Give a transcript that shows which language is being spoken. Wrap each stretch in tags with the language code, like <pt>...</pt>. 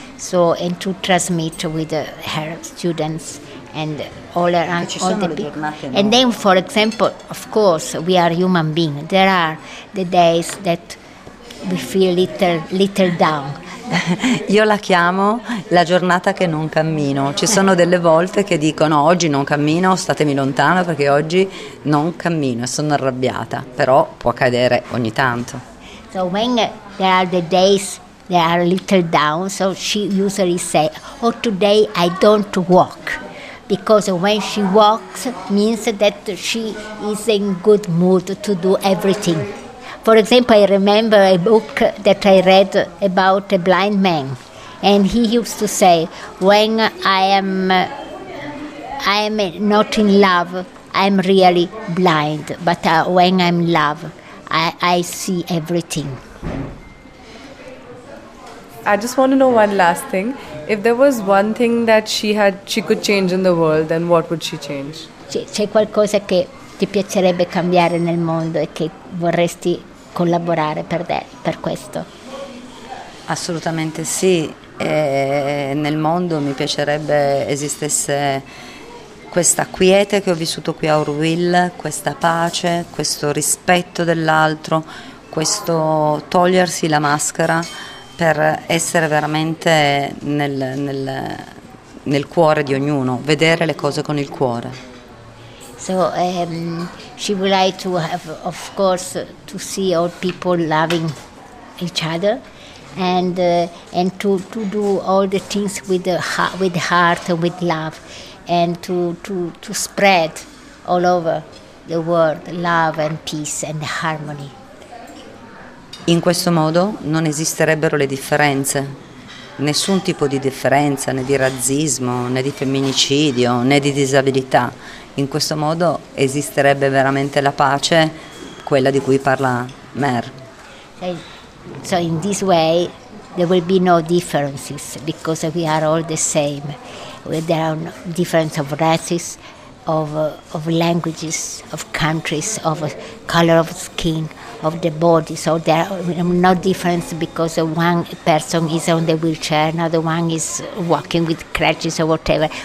<en>So, and to transmit with her students and all around all the people. And then, for example, of course, we are human beings. There are the days that we feel little down.</en> <it>Io la chiamo la giornata che non cammino. Ci sono delle volte che dicono oggi non cammino, statemi lontano perché oggi non cammino e sono arrabbiata, però può accadere ogni tanto.</it> <en>So when there are the days that are a little down, so she usually say, oh, today I don't walk, because when she walks means that she is in good mood to do everything. For example, I remember a book that I read about a blind man, and he used to say, when I am not in love, I'm really blind, but when I'm in love, I see everything. I just want to know one last thing. If there was one thing that she could change in the world, then what would she change?</en> <it>C'è qualcosa che ti piacerebbe cambiare nel mondo e che vorresti collaborare per questo? Assolutamente sì, nel mondo mi piacerebbe esistesse questa quiete che ho vissuto qui a Auroville, questa pace, questo rispetto dell'altro, questo togliersi la maschera per essere veramente nel cuore di ognuno, vedere le cose con il cuore.</it> <en>So she would like to have, of course, to see all people loving each other, and to do all the things with heart and with love, and to spread all over the world love and peace and harmony.</en> <it>In questo modo non esisterebbero le differenze, nessun tipo di differenza, né di razzismo, né di femminicidio, né di disabilità. In questo modo esisterebbe veramente la pace, quella di cui parla Mer.</it> <en>So in this way there will be no differences, because we are all the same. There are no differences of races, of languages, of countries, of color of skin, of the body. So there are no differences because one person is on the wheelchair, another one is walking with crutches or whatever.</en>